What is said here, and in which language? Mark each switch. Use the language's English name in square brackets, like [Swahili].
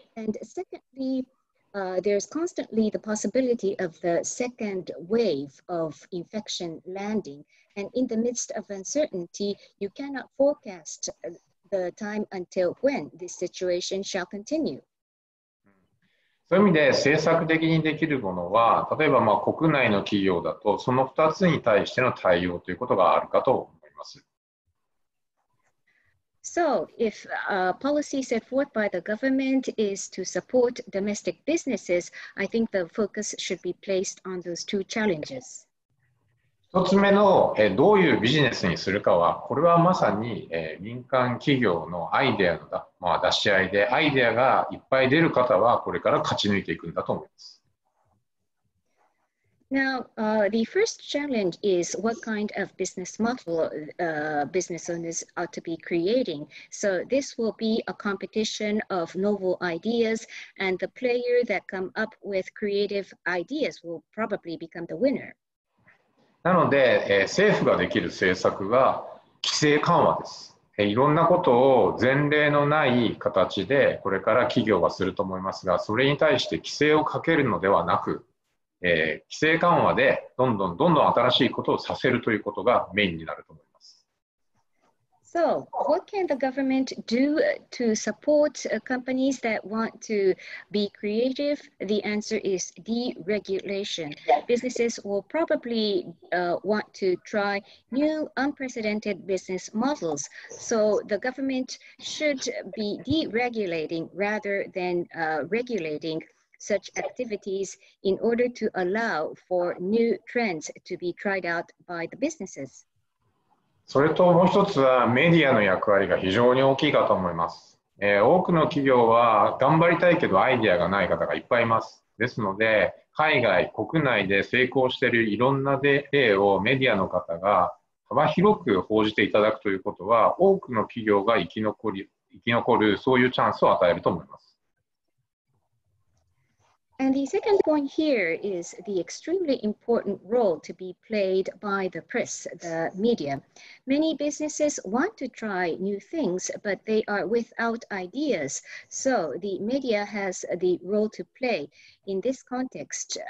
[English] And secondly,there's constantly the possibility of the second wave of infection landing. And in the midst of uncertainty, you cannot forecast the time until when this situation shall continue. [Japanese] そういう意味で政策的にできるものは、例えばまあ国内の企業だと、その2つに対しての対応ということがあるかと思います。 [English] So if a policy set forth by the government is to support domestic businesses, I think the focus should be placed on those two challenges. [Japanese] 一つ目のどういうビジネスにするかは、これはまさに民間企業のアイデアの出し合いで、アイデアがいっぱい出る方はこれから勝ち抜いていくんだと思います。 [English] Now, the first challenge is what kind of business model business owners are to be creating. So this will be a competition of novel ideas, and the player that come up with creative ideas will probably become the winner. [Japanese] なので、政府ができる政策は規制緩和です。いろんなことを前例のない形でこれから企業はすると思いますが、それに対して規制をかけるのではなく、規制緩和でどんどんどんどん新しいことをさせるということがメインになると思います。 [English] So, what can the government do to support companies that want to be creative? The answer is deregulation. Businesses will probably want to try new unprecedented business models. So, the government should be deregulating rather than regulating. Such activities in order to allow for new trends to be tried out by the businesses. [Japanese] それともう一つはメディアの役割が非常に大きいかと思います。多くの企業は頑張りたいけどアイデアがない方がいっぱいいます。ですので、海外、国内で成功しているいろんな例をメディアの方が幅広く報じていただくということは、多くの企業が生き残るそういうチャンスを与えると思います。 [English] And the second point here is the extremely important role to be played by the press, the media. Many businesses want to try new things, but they are without ideas. So the media has the role to play in this context.